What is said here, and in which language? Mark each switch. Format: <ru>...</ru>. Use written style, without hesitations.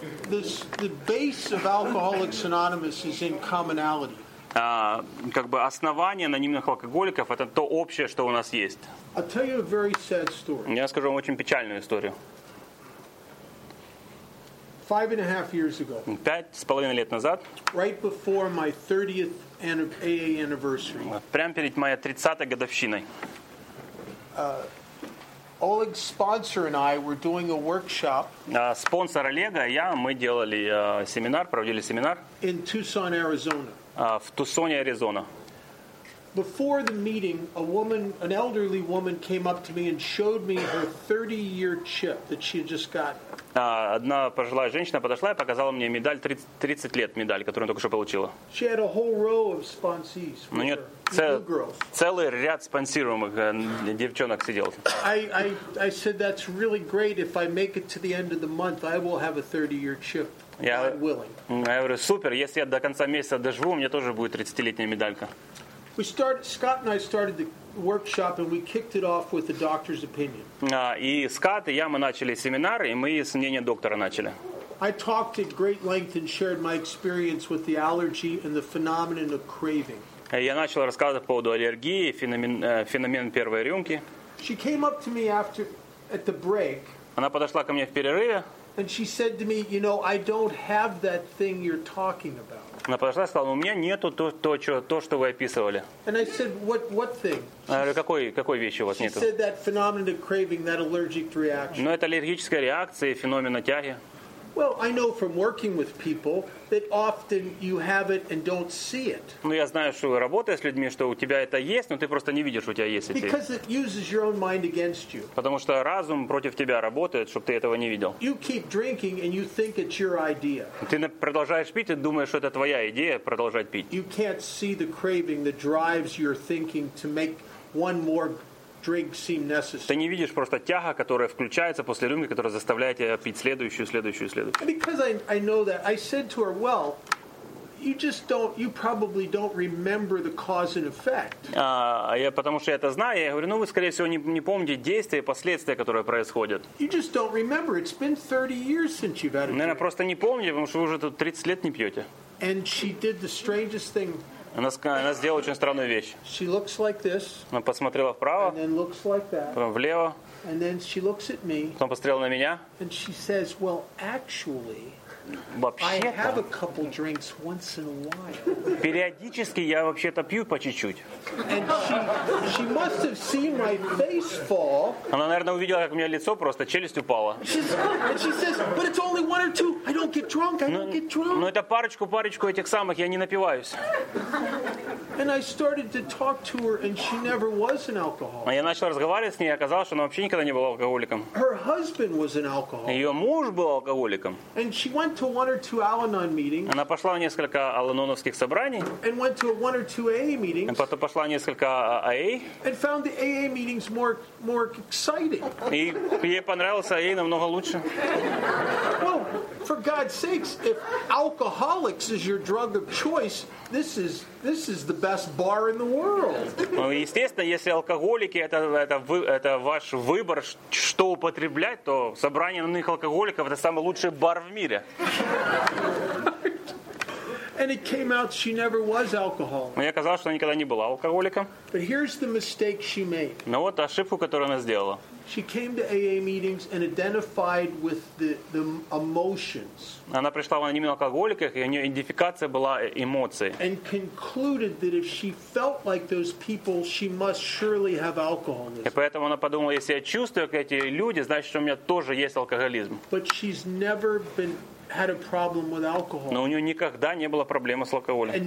<en>The base of Alcoholics Anonymous is in commonality.</en> <ru>Как бы основание анонимных алкоголиков — это то общее, что у нас есть.</ru> <en>I'll tell you a very sad story.</en> <ru>Я скажу вам очень печальную историю.</ru> <en>5.5 years ago.</en> <ru>5.5 лет назад.</ru> <en>Right before my 30th AA anniversary.</en> <ru>Прямо перед моей 30-й годовщиной.</ru> <en>Oleg's sponsor and I were doing a workshop.</en> <ru>Спонсор Олега и я, мы делали семинар, проводили семинар.</ru> <en>In Tucson, Arizona.</en> <ru>В Тусоне, Аризона.</ru> <en>Before the meeting, an elderly woman came up to me and showed me her 30-year chip that she had just got.</en> <ru>Одна пожилая женщина подошла и показала мне медаль 30 лет, медаль, которую она только что получила.</ru> <en>She had a whole row of sponsees.</en> <ru>У нее целый ряд спонсируемых девчонок сидел.</ru> <en>I said that's really great. If I make it to the end of the month, I will have a 30-year chip.</en> <ru>Я говорю, супер, если я до конца месяца доживу, у меня тоже будет 30-летняя медалька.</ru> <en>Scott and I started the workshop and we kicked it off with the doctor's opinion.</en> <ru>И с Катей я мы начали семинар, и мы с мнения доктора начали.</ru> <en>I talked at great length and shared my experience with the allergy and the phenomenon of craving.</en> <ru>Я начал рассказывать по поводу аллергии, феномен первой рюмки.</ru> <en>She came up to me after at the break.</en> <ru>Она подошла ко мне в перерыве.</ru> <en>And she said to me, you know, I don't have that thing you're talking about.</en> <ru>Она подошла и сказала, у меня нету то, что вы описывали.</ru> <en>And I said, what thing?</en> <ru>Какой вещи у вас нету?</ru> <en>She said that phenomenon of craving, that allergic reaction.</en> <ru>Но это аллергическая реакция, феномен тяги.</ru> <en>Well, I know from working with people that often you have it and don't see it.</en> <ru>Ну я знаю, что работая с людьми, что у тебя это есть, но ты просто не видишь, что у тебя есть эти.</ru> <en>Because it uses your own mind against you.</en> <ru>Потому что разум против тебя работает, чтобы ты этого не видел.</ru> <en>You keep drinking and you think it's your idea.</en> <ru>Ты продолжаешь пить и думаешь, что это твоя идея продолжать пить.</ru> <en>You can't see the craving that drives your thinking to make one more drink seem necessary.</en> <ru>Ты не видишь просто тяга, которая включается после рюмки, которая заставляет тебя пить следующую.</ru> <en>Because I know that, I said to her, well, you just don't, you probably don't remember the cause and effect.</en> <ru>Я потому что я это знаю, я говорю, ну вы скорее всего не помните действия и последствия, которые происходят.</ru> <en>You just don't remember. It's been 30 years since you've had it.</en> <ru>Наверное, просто не помните, потому что вы уже тут 30 лет не пьете.</ru> <en>And she did the strangest thing.</en> <ru>Она сделала очень странную вещь.</ru> <en>She looks like this,</en> <ru>она посмотрела вправо,</ru> <en>and then looks like that,</en> <ru>потом влево,</ru> <en>and then she looks at me,</en> <ru>потом посмотрела на меня.</ru> <en>And she says, well, actually, I have a couple drinks once in a while.</en> <ru>Периодически я вообще-то пью по чуть-чуть.</ru> <en>And she must have seen my face fall.</en> <ru>Она, наверное, увидела, как у меня лицо просто челюсть упала.</ru> <en>And she says, but it's only one or two. I don't get drunk. I don't get drunk.</en> <ru>Но это парочку этих самых, я не напиваюсь.</ru> <en>And I started to talk to her, and she never was an alcoholic.</en> <ru>А я начал разговаривать с ней, и оказалось, что она вообще никогда не была алкоголиком.</ru> <en>Her husband was an alcoholic.</en> <ru>Ее муж был алкоголиком.</ru> <en>And she went to one or two Al-Anon meetings.</en> <ru>Она пошла на несколько Al-Anon-овских собраний.</ru> <en>And went to one or two AA meetings.</en> <ru>И потом пошла на несколько AA.</ru> <en>And found the AA meetings more exciting.</en> <ru>И ей понравился AA намного лучше.</ru> <en>Well, for God's sakes, if alcoholics is your drug of choice, this is the best bar in the world.</en> <ru>Ну, естественно, если алкоголики это ваш выбор, что употреблять, то собрание нынешних алкоголиков это самый лучший бар в мире.</ru> <en>And it came out she never was alcoholic.</en> <ru>Мне казалось, что она никогда не была алкоголиком.</ru> <en>But here's the mistake she made.</en> <ru>Но вот ошибку, которую она сделала.</ru> <en>She came to AA meetings and identified with the emotions.</en> <ru>Она пришла в анонимные алкоголики, и у нее идентификация была эмоцией.</ru> <en>And concluded that if she felt like those people, she must surely have alcoholism.</en> <ru>И поэтому она подумала, если я чувствую как эти люди, значит, у меня тоже есть алкоголизм.</ru> <en>But she's never been had a problem with alcohol.</en> <ru>Но у нее никогда не было проблемы с алкоголем.</ru>